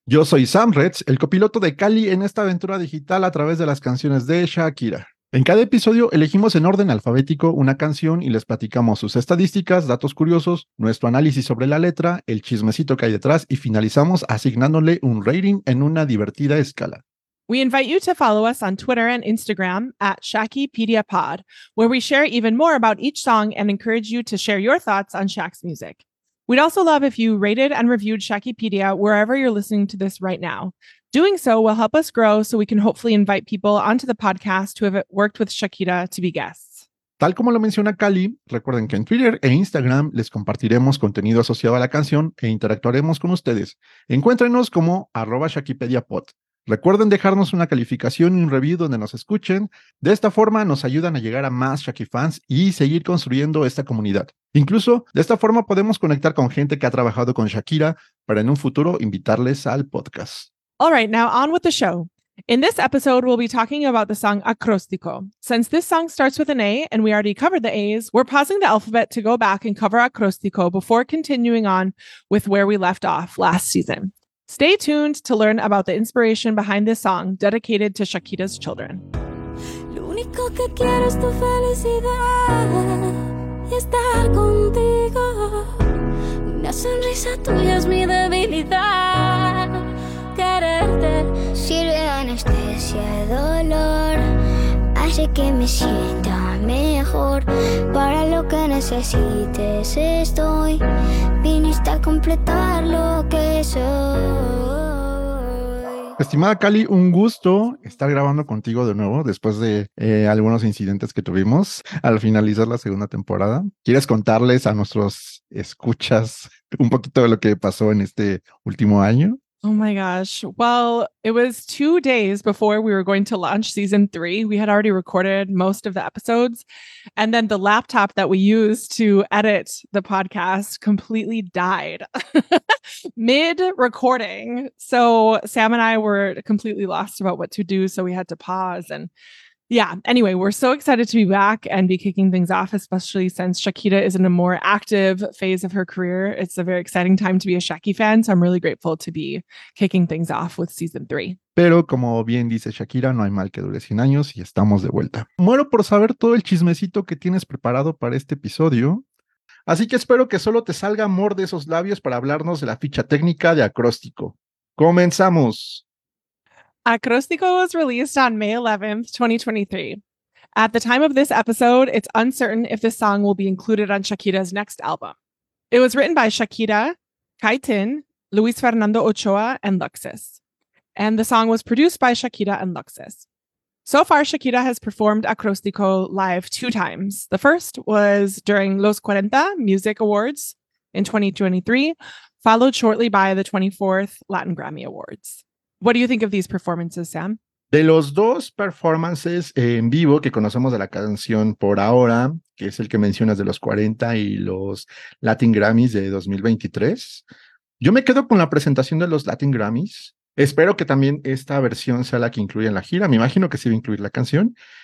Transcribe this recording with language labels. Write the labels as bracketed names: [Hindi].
[Spanish] Yo soy Sam Retz, el copiloto de Callie en esta aventura digital a través de las canciones de Shakira. En cada episodio elegimos en orden alfabético una canción y les platicamos sus estadísticas, datos curiosos, nuestro análisis sobre la letra, el chismecito que hay detrás y finalizamos asignándole un rating en una divertida escala. [English] We invite you to follow us on Twitter and Instagram at ShackyPediaPod, where we share even more about each song and encourage you to share your thoughts on Shaq's music. We'd also love if you rated and reviewed Shackypedia wherever you're listening to this right now. Doing so will help us grow so we can hopefully invite people onto the podcast who have worked with Shakira to be guests. [Spanish] Tal como lo menciona Cali, recuerden que en Twitter e Instagram les compartiremos contenido asociado a la canción e interactuaremos con ustedes. Encuéntrenos como @ShackypediaPod. Recuerden dejarnos una calificación y un review donde nos escuchen. De esta forma nos ayudan a llegar a más Shaky fans y seguir construyendo esta comunidad. Incluso de esta forma podemos conectar con gente que ha trabajado con Shakira para en un futuro invitarles al podcast. [English] All right, now on with the show. In this episode, we'll be talking about the song Acróstico. Since this song starts with an A and we already covered the A's, we're pausing the alphabet to go back and cover Acróstico before continuing on with where we left off last season. Stay tuned to learn about the inspiration behind this song dedicated to Shakira's children. [Spanish] Lo único que quiero es tu felicidad y estar contigo. Una sonrisa tuya es mi debilidad. Quererte sirve de anestesia de dolor. Hace que me sienta mejor. Para lo que necesites estoy. Viniste a completar lo que soy. Estimada Cali, un gusto estar grabando contigo de nuevo después de algunos incidentes que tuvimos al finalizar la segunda temporada. ¿Quieres contarles a nuestros escuchas un poquito de lo que pasó en este último año? [English] Oh my gosh. Well, it was 2 days before we were going to launch season 3. We had already recorded most of the episodes. And then the laptop that we used to edit the podcast completely died mid-recording. So Sam and I were completely lost about what to do. So we had to pause. And yeah, anyway, we're so excited to be back and be kicking things off, especially since Shakira is in a more active phase of her career. It's a very exciting time to be a Shaky fan, so I'm really grateful to be kicking things off with season 3. [Spanish] Pero como bien dice Shakira, no hay mal que dure 100 años y estamos de vuelta. Muero por saber todo el chismecito que tienes preparado para este episodio, así que espero que solo te salga amor de esos labios para hablarnos de la ficha técnica de Acróstico. ¡Comenzamos! [English] Acróstico was released on May 11th, 2023. At the time of this episode, it's uncertain if this song will be included on Shakira's next album. It was written by Shakira, Kai Tin, Luis Fernando Ochoa, and Luxus. And the song was produced by Shakira and Luxus. So far, Shakira has performed Acróstico live 2 times. The first was during Los 40 Music Awards in 2023, followed shortly by the 24th Latin Grammy Awards. What do you think of these performances, Sam? [Spanish] De los dos performances en vivo que conocemos de la canción por ahora, que es el que mencionas de los 40 y los Latin Grammys de 2023, yo me quedo con la presentación de los Latin Grammys. Espero que también esta versión sea la que incluya en la gira. Me imagino que sí va a incluir la canción.